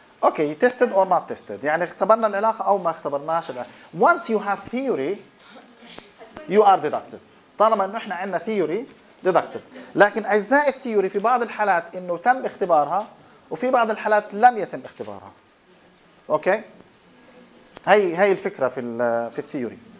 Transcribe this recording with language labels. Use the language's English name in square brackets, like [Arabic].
[English] Okay, tested or not tested, [Arabic] يعني اختبرنا العلاقه او ما اختبرناش. [English] Once you have theory you are deductive. [Arabic] طالما انه احنا عندنا theory deductive, لكن اجزاء الثيوري في بعض الحالات انه تم اختبارها وفي بعض الحالات لم يتم اختبارها. اوكي، هي الفكره في الثيوري.